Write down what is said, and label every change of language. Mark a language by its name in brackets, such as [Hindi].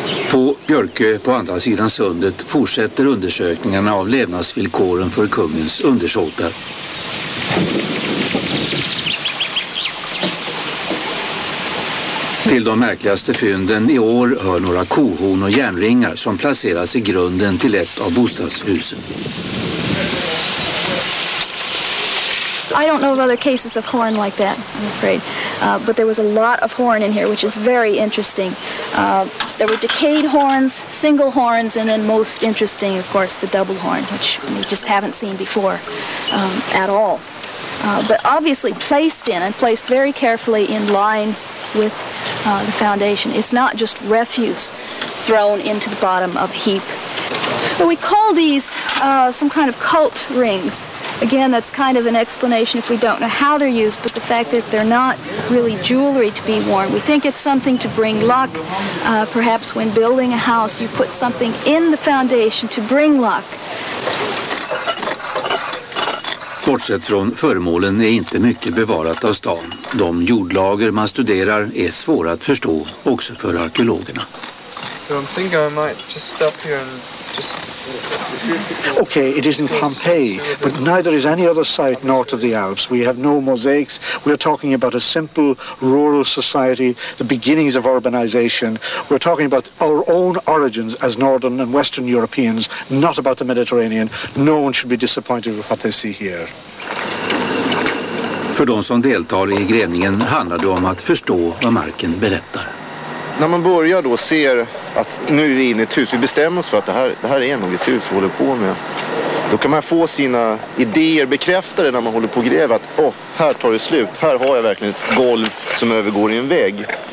[Swedish] På Björkö på andra sidan sundet fortsätter undersökningarna av levnadsvillkoren för kungens undersåtar. Till de märkligaste fynden i år hör några kohorn och järnringar som placeras i grunden till ett av bostadshusen. [English] I don't know of other cases of horn like that, I'm afraid. But there was a lot of horn in here, which is very interesting. There were decayed horns, single horns, and then most interesting, of course, the double horn, which we just haven't seen before at all. But obviously placed in and placed very carefully in line with the foundation. It's not just refuse thrown into the bottom of a heap. But we call these some kind of cult rings. Again, that's kind of an explanation if we don't know how they're used, but the fact that they're not really jewelry to be worn. We think it's something to bring luck. Perhaps when building a house, you put something in the foundation to bring luck. [Swedish] Bortsett från föremålen är inte mycket bevarat av stan. De jordlager man studerar är svåra att förstå också för arkeologerna. [English] So I'm thinking I might just stop here and just... Okay, it is in Pompeii, but neither is any other site north of the Alps. We have no mosaics. We are talking about a simple rural society, the beginnings of urbanization. We're talking about our own origins as Northern and Western Europeans, not about the Mediterranean. No one should be disappointed with what they see here. [Swedish] För de som deltar i grävningen handlar det om att förstå vad marken berättar. När man börjar då ser att nu är vi inne i ett hus, vi bestämmer oss för att det här är nog ett hus vi håller på med. Då kan man få sina idéer bekräftade när man håller på och gräver att här tar det slut, här har jag verkligen ett golv som övergår i en vägg.